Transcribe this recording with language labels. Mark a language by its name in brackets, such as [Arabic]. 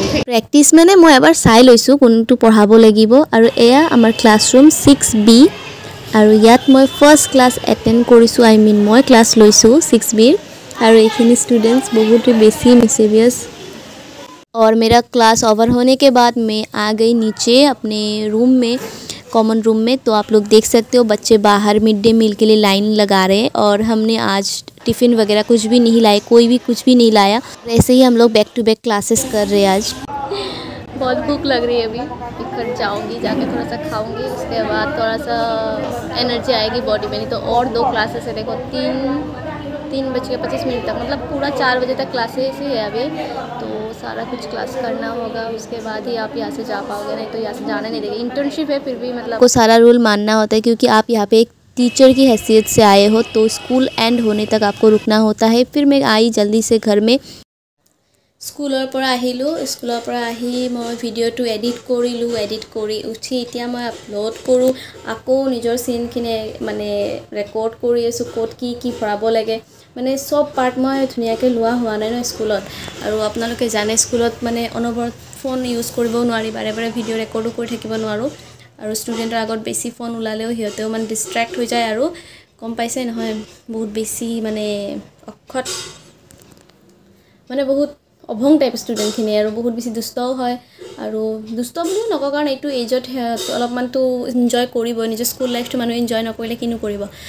[Assamese] Practice মানে মই এবাৰ চাই লৈছোঁ কোনটো পঢ়াব লাগিব। আৰু এয়া আমাৰ ক্লাছৰুম 6B, আৰু ইয়াত মই ফাৰ্ষ্ট ক্লাছ এটেণ্ড কৰিছোঁ, মই ক্লাছ লৈছোঁ 6B-ৰ। আৰু এইখিনি ষ্টুডেণ্টছ বহুতে বেছি মিছেভিয়াছ। [Hindi] আৰু মেৰা ক্লাছ অভাৰ হোৱাৰ কে বাদ মই আ গৈ নিচে আপনে ৰুম মে कॉमन रूम में। तो आप लोग देख सकते हो बच्चे बाहर मिड डे मील के लिए लाइन लगा रहे हैं, और हमने आज टिफ़िन वगैरह कुछ भी नहीं लाए, कोई भी कुछ भी नहीं लाया। ऐसे ही हम लोग बैक टू बैक क्लासेस कर रहे हैं आज। बहुत भूख लग रही है, अभी फिर जाऊंगी, जाके थोड़ा सा खाऊंगी, उसके बाद थोड़ा सा एनर्जी आएगी बॉडी में, नहीं तो और दो क्लासेस है। देखो 3:25 तक, मतलब पूरा 4 बजे तक क्लासेस ही है अभी, तो सारा कुछ क्लास करना होगा, उसके बाद ही आप यहाँ से जा पाओगे, नहीं तो यहाँ से जाने नहीं देंगे। इंटर्नशिप है फिर भी, मतलब को सारा रूल मानना होता है, क्योंकि आप यहाँ पे एक टीचर की हैसियत से आए हो, तो स्कूल एंड होने तक आपको रुकना होता है। फिर मैं आई जल्दी से घर में, [Assamese] স্কুলৰ পৰা আহিলোঁ। স্কুলৰ পৰা আহি মই ভিডিঅ'টো এডিট কৰিলোঁ, এডিট কৰি উঠি এতিয়া মই আপলোড কৰোঁ, আকৌ নিজৰ চিনখিনি মানে ৰেকৰ্ড কৰি আছোঁ, ক'ত কি কি ভৰাব লাগে, মানে চব পাৰ্ট মই ধুনীয়াকৈ লোৱা হোৱা নাই ন স্কুলত। আৰু আপোনালোকে জানে স্কুলত মানে অনবৰত ফোন ইউজ কৰিবও নোৱাৰি, বাৰে বাৰে ভিডিঅ' ৰেকৰ্ডো কৰি থাকিব নোৱাৰোঁ, আৰু ষ্টুডেণ্টৰ আগত বেছি ফোন ওলালেও সিহঁতেও মানে ডিষ্ট্ৰেক্ট হৈ যায়, আৰু গম পাইছে নহয় বহুত বেছি মানে অক্ষত, মানে বহুত অভং টাইপ ষ্টুডেণ্টখিনি, আৰু বহুত বেছি দুষ্টও হয়, আৰু দুষ্ট বুলিও নকওঁ কাৰণ এইটো এইজত অলপমানতো এনজয় কৰিব, নিজৰ স্কুল লাইফটো মানুহে এনজয় নকৰিলে কিনো কৰিব।